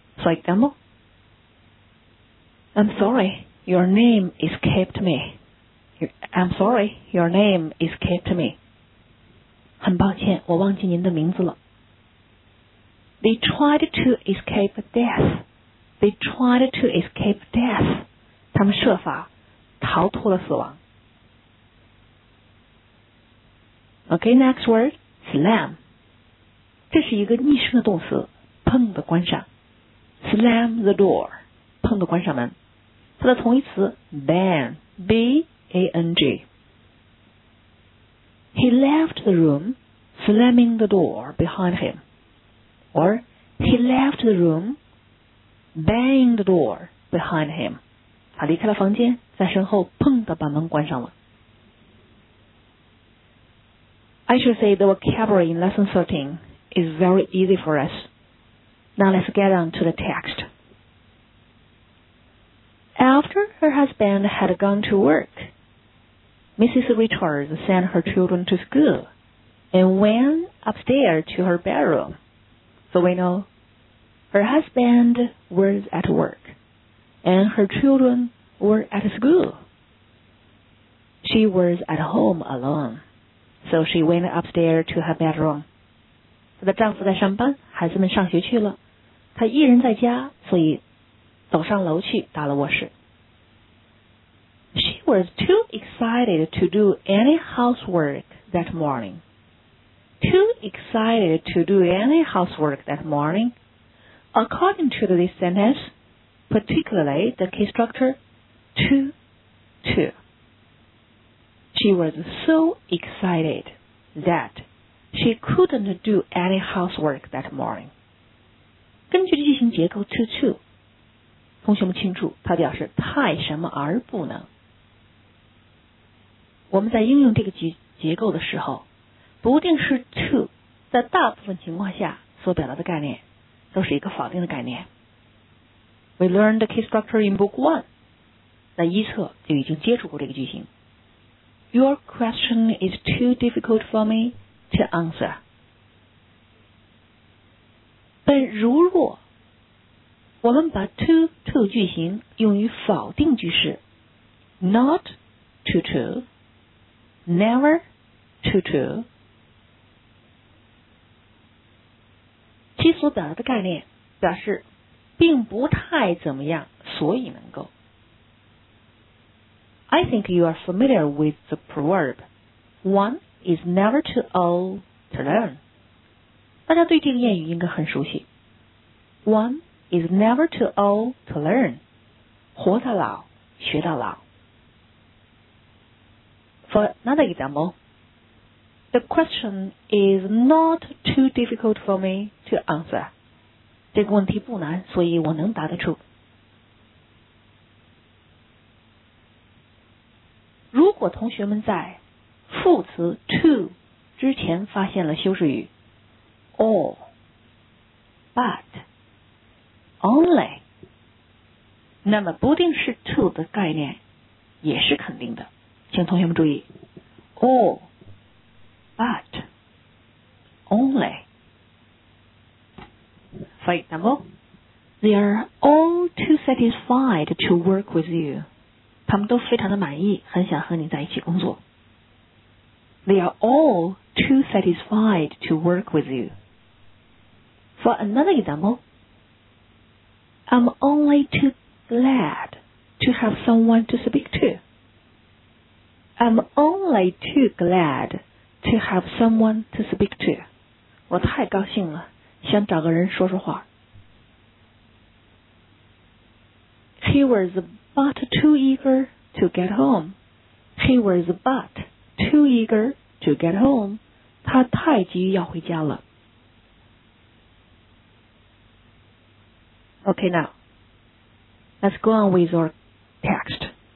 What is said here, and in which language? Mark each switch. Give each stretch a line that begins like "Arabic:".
English: for example, I'm sorry, your name escaped me. I'm sorry, your name escaped me.
Chinese: 很抱歉，我忘记您的名字了。
English: They tried to escape death. They tried to escape death.
Chinese: 他们设法逃脱了死亡。
English: Okay, next word, slam.
Chinese: 这是一个逆声的动词，砰的关上。
English: Slam the door.
Chinese: 砰的关上门。它的同义词 bang,
English: B-A-N-G. He left the room, slamming the door behind him. Or, he left the room, banging the door behind him.
Chinese: 他离开了房间，在身后砰的把门关上了。
English: I should say the vocabulary in lesson 13 is very easy for us. Now let's get on to the text. After her husband had gone to work, Mrs. Richards sent her children to school and went upstairs to her bedroom. So we know her husband was at work and her children were at school. She was at home alone, so she went upstairs to her bedroom.
Chinese: 她的丈夫在上班，孩子们上学去了，她一人在家，所以走上楼去打了卧室。
English: She was too excited to do any housework that morning. Too excited to do any housework that morning. According to this sentence, particularly the key structure, to. She was so excited that she couldn't do any housework that morning.
Chinese: 根据句型结构 to, 同学们清楚，它表示太什么而不能。我们在应用这个结构的时候，不定式 to 在大部分情况下所表达的概念都是一个否定的概念。
English: We learned the key structure in book one.
Chinese: 在一册就已经接触过这个句型。
English: Your question is too difficult for me to answer.
Chinese: 但如若我们把 to 句型用于否定句式
English: ，not to。 Never to.
Chinese: 其所表达的概念表示并不太怎么样，所以能够。
English: I think you are familiar with the proverb. One is never too old to learn.
Chinese: 大家对这个谚语应该很熟悉。
English: One is never too old to learn.
Chinese: 活到老，学到老。
English: For another example, the question is not too difficult for me to answer.
Chinese: 这个问题不难，所以我能答得出。如果同学们在副词 to 之前发现了修饰语
English: or, but, only,
Chinese: 那么不定式 to 的概念也是肯定的。请同学们注意。
English: All, but, only. For example, they are all too satisfied to work with you.
Chinese: 他们都非常的满意，很想和你在一起工作。
English: They are all too satisfied to work with you. For another example, I'm only too glad to have someone to speak to. I'm only too glad to have someone to speak to.
Chinese: 我太高兴了，想找个人说说话。
English: He was but too eager to get home. He was but too eager to get home.
Chinese: 他太急于要回家了。
English: Okay, now, let's go on with our text.